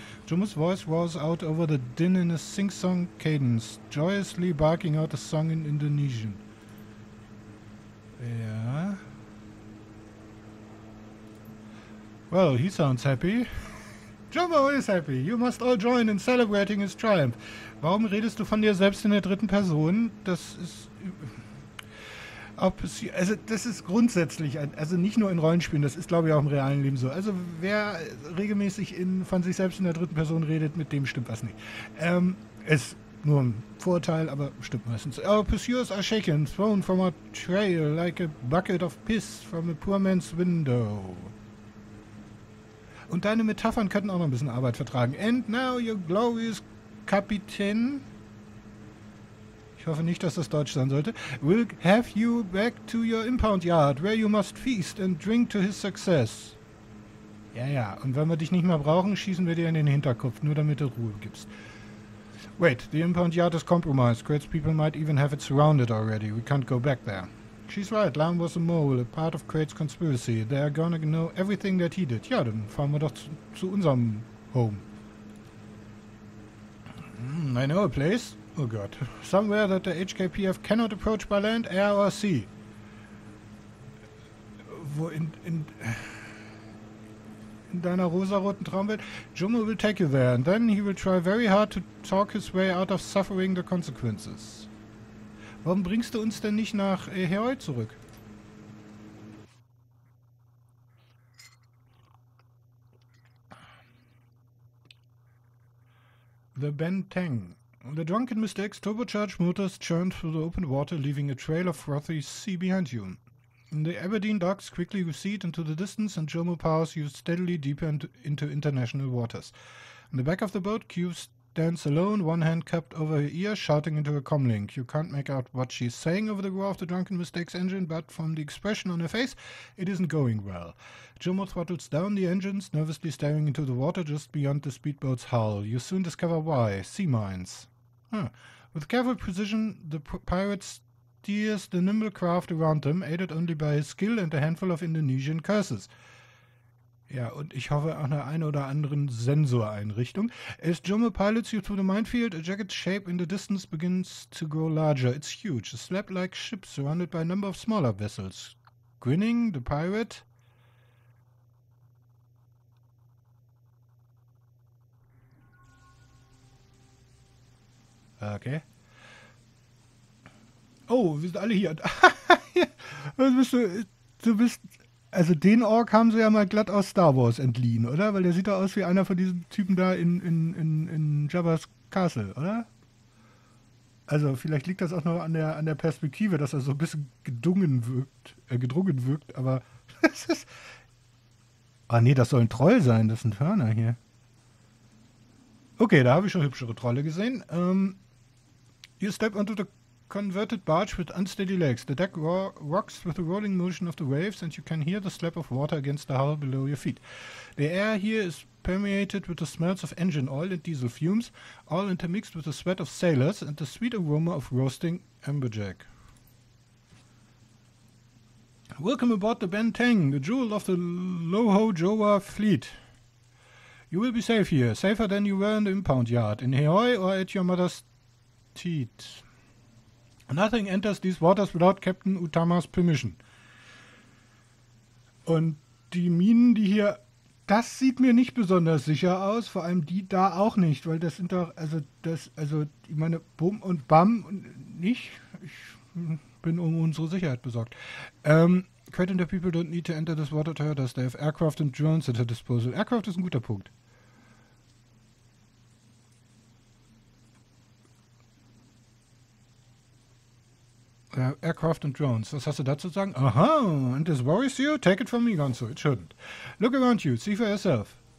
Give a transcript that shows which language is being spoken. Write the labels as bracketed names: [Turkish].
[English] Jomo's voice roars out over the din in a sing-song cadence, joyously barking out a song in Indonesian. Yeah. Well, he sounds happy. Jomo is happy. You must all join in celebrating his triumph. [German] Warum redest du von dir selbst in der dritten Person? Das ist... Also das ist grundsätzlich, also nicht nur in Rollenspielen, das ist glaube ich auch im realen Leben so. Also wer regelmäßig von sich selbst in der dritten Person redet, mit dem stimmt was nicht. Ist nur ein Vorurteil, aber stimmt meistens. [English] Our pursuers are shaken, thrown from a trail like a bucket of piss from a poor man's window. [German] Und deine Metaphern könnten auch noch ein bisschen Arbeit vertragen. [English] And now your glorious Captain. [German] Ich hoffe nicht, dass das Deutsch sein sollte. [English] We'll have you back to your impound yard, where you must feast and drink to his success. [German] Ja, ja. Und wenn wir dich nicht mehr brauchen, schießen wir dir in den Hinterkopf, nur damit du Ruhe gibst. [English] Wait, the impound yard is compromised. Kurt's people might even have it surrounded already. We can't go back there. She's right, Lam was a mole, a part of Crate's conspiracy. They are gonna know everything that he did. [German] Ja, dann fahren wir doch zu unserem Home. [English] I know a place. [German] Oh Gott. [English] Somewhere that the HKPF cannot approach by land, air or sea. [German] Wo in deiner rosaroten Traumwelt? [English] Jomo will take you there and then he will try very hard to talk his way out of suffering the consequences. [German] Warum bringst du uns denn nicht nach Heroi zurück? [English] The Benteng. The drunken mistakes, turbocharged motors churned through the open water, leaving a trail of frothy sea behind you. The Aberdeen docks quickly recede into the distance and Jomo powers you steadily deeper into international waters. In the back of the boat, Q stands alone, one hand cupped over her ear, shouting into a comlink. You can't make out what she's saying over the roar of the drunken mistakes engine, but from the expression on her face, it isn't going well. Jomo throttles down the engines, nervously staring into the water just beyond the speedboat's hull. You soon discover why. Sea mines. Huh. With careful precision, the pirate steers the nimble craft around them, aided only by his skill and a handful of Indonesian curses. [German] Ja, und ich hoffe auch einer ein oder anderen Sensoreinrichtung. [English] As Jomo pilots you through the minefield, a jagged shape in the distance begins to grow larger. It's huge, a slab-like ship surrounded by a number of smaller vessels. Grinning, the pirate. Okay. [German] Oh, wir sind alle hier. Was bist du? Du bist... Also den Ork haben sie ja mal glatt aus Star Wars entliehen, oder? Weil der sieht doch aus wie einer von diesen Typen da in Jabba's Castle, oder? Also vielleicht liegt das auch noch an der Perspektive, dass er so ein bisschen gedrungen wirkt, aber das ist... Ah nee, das soll ein Troll sein, das ist ein Hörner hier. Okay, da habe ich schon hübschere Trolle gesehen. [English] You step onto the... Converted barge with unsteady legs. The deck rocks with the rolling motion of the waves and you can hear the slap of water against the hull below your feet. The air here is permeated with the smells of engine oil and diesel fumes, all intermixed with the sweat of sailors and the sweet aroma of roasting amberjack. Welcome aboard the Benteng, the jewel of the Loho Jowa fleet. You will be safe here, safer than you were in the impound yard, in Heoi or at your mother's teat. Nothing enters these waters without Captain Utamas permission. [German] Und die Minen, die hier, das sieht mir nicht besonders sicher aus, vor allem die da auch nicht, weil das sind doch, also das, also ich meine, bumm und bam, nicht, ich bin um unsere Sicherheit besorgt. [English] Crate and the people don't need to enter this water to hurt us, they have aircraft and drones at their disposal. Aircraft [German] ist ein guter Punkt. [English] Aircraft and drones. [German] Was hast du dazu zu sagen? [English] Aha, and this worries you? Take it from me, Gonzo. It shouldn't. Look around you. See for yourself.